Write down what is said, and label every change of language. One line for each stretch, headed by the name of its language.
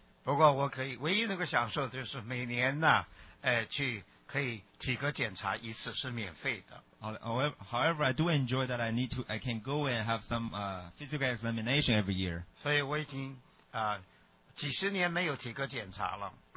Chinese: 不过我可以，唯一能够享受的就是每年呢，去可以体格检查一次是免费的。
English: However, I do enjoy that I can go and have some physical examination every year.
Chinese: 所以我已经几十年没有体格检查了。